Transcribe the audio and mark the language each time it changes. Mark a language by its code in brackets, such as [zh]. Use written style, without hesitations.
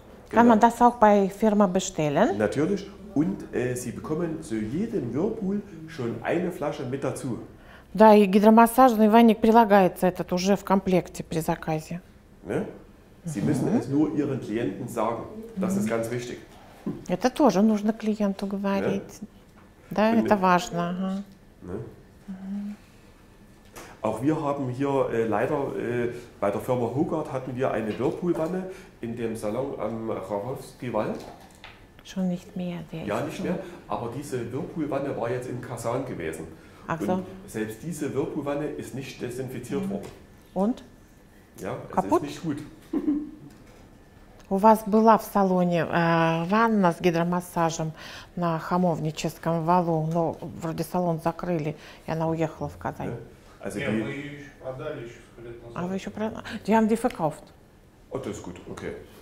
[de] Kann man das auch bei Firma bestellen? Natürlich. Und Sie bekommen zu jedem Whirlpool schon eine Flasche mit dazu. [ru] Да, и гидромассажный ванник прилагается этот уже в комплекте при заказе. [de] Ne? Sie müssen es nur Ihren Klienten sagen. Das ist ganz wichtig. [ru] Это тоже нужно клиенту говорить. [de] Ne? [ru] Да, und это важно. Ага. [de] Ne? Auch wir haben hier leider bei der Firma Hogarth hatten wir eine Whirlpool-Wanne in dem Salon am Rawowski-Wald. Schon nicht mehr. Der ja, nicht mehr. Aber diese Whirlpool-Wanne war jetzt in Kasan gewesen. Ach so. Und selbst diese Whirlpool-Wanne ist nicht desinfiziert worden. Und? Ja, kaputt? Es ist nicht gut. [ru] У вас была в салоне ванна с гидромассажем на Хамовническом валу, но вроде салон закрыли, и она уехала в Казань. Нет, мы ее еще продали еще лет назад. А вы еще продали? [de] Die haben die verkauft. Oh, das ist gut, okay.